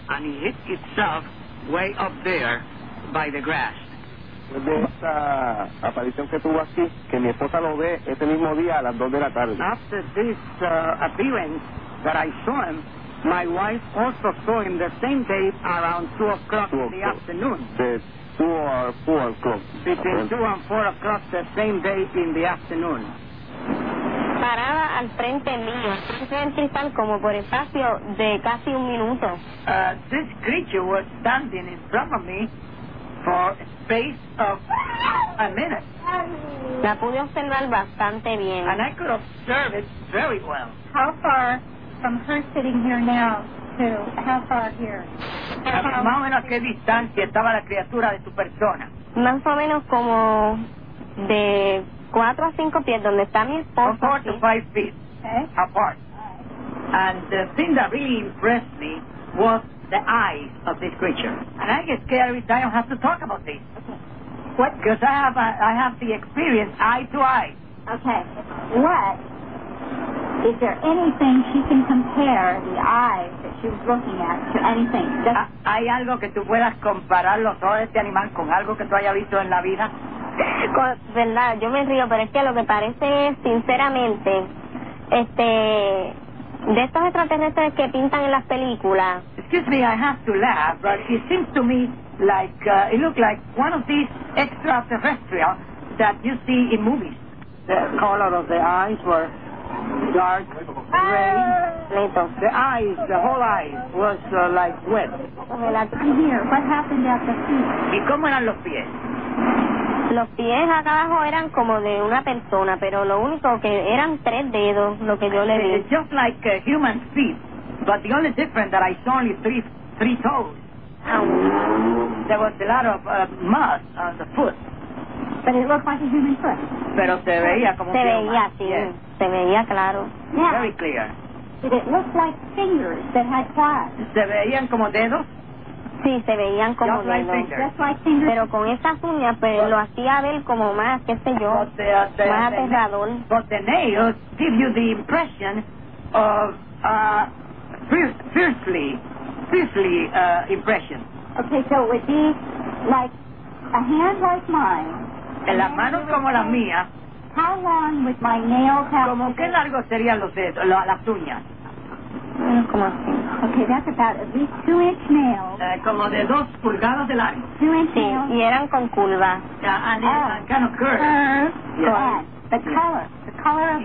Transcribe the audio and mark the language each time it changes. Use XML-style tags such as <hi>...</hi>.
<en>And he hit itself way up there by the grass.</en> <es>De esta aparición que tuvo aquí, que mi esposa lo ve ese mismo día a las 2 de la tarde.</es> <en>After this appearance that I saw him, my wife also saw him the same day around 2 o'clock in the afternoon. Between 2 and 4 o'clock the same day in the afternoon.</en> <es>Paraba al frente mío, cristal como por espacio de casi un minuto.</es> <en>This creature was standing in front of me for a space of a minute.</en> <es>La pude observar bastante bien.</es> <en>And I could observe it very well. How far from her sitting here now to how far here?</en> <es>Más o menos a qué distancia estaba la criatura de tu persona. Más o menos como de</es> <en>4 to 5 feet,</en> <es>donde está mi esposo.</es> <en>4 to 5 feet, okay, apart. And the thing that really impressed me was the eyes of this creature. And I get scared every time I have to talk about this. Okay. What? Because I have the experience eye to eye. Okay. What? Is there anything she can compare the eyes that she was looking at to anything?</en> <es>¿Hay algo que tú puedas comparar los ojos de este animal con algo que tú hayas visto en la vida? Verdad, yo me río, pero es que lo que parece es, sinceramente, de estos extraterrestres que pintan en las películas.</es> <en>Excuse me, I have to laugh, but it seems to me like, it looked like one of these extraterrestrials that you see in movies. The color of the eyes were dark, gray. The eyes, the whole eyes, was like wet. What happened at the feet?</en> <es>¿Y cómo eran los pies? Los pies acá abajo eran como de una persona, pero lo único que eran 3 dedos, lo que yo le vi.</es> <en>It's just like a human feet, but the only difference that I saw only three toes. There was a lot of mud on the foot. But it looked like a human foot.</en> <es>Pero se veía como se veía, sí.</es> <en>Yes.</en> <es>Se veía claro.</es> <en>Yeah. Very clear. Did it look like fingers that had claws?</en> <es>Se veían como dedos. Sí, se veían como</es> <en>just like fingers.</en> <es>Pero con esas uñas, pues, lo hacía ver como más, qué sé yo, más aterrador.</es> <en>But the nails give you the impression of fiercely impression. Okay, so it would be like a hand like mine.</en> <es>Las manos como las mías.</es> <en>How long would my nails have?</en> <es>¿Cómo qué largo serían los dedos, las uñas?</es> <en>Okay, that's about at least 2-inch nails.</en> <es>Como de 2 pulgadas de largo.</es> <en>2-inch</en> <es>sí,</es> <en>nails.</en> <es>Y eran con curva.</es> <en>Kind of curved. The color. The color of</en>